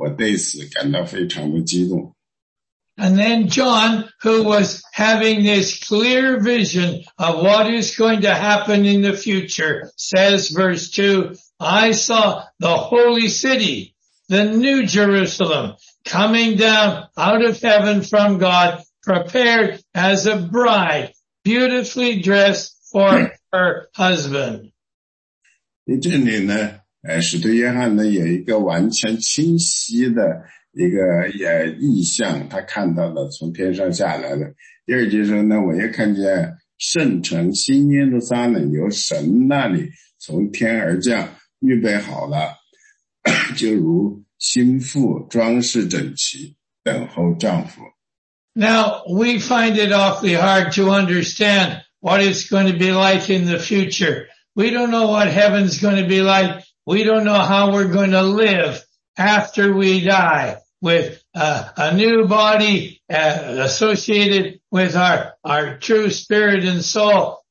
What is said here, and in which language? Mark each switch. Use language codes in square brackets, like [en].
[zh] 因为这个新天新地呢，是绝对完美的地方。我们在那里呢，不可能产生任何的垃圾，所以呢，我对此感到非常的激动。 [en] And then John, who was having this clear vision of what is going to happen in the future, says, verse 2, I saw the holy city, the new Jerusalem, coming down out of heaven from God, prepared as a bride, beautifully dressed for her husband. [zh] 这里呢，使徒约翰呢有一个完全清晰的 一个意象，他看到了从天上下来的。第二节说呢，我又看见圣城新耶路撒冷由神那里从天而降，预备好了，就如新妇装饰整齐，等候丈夫。 [en] Now we find it awfully hard to understand what it's going to be like in the future. We don't know what heaven's going to be like. We don't know how we're going to live after we die. With a new body associated with our true spirit and soul.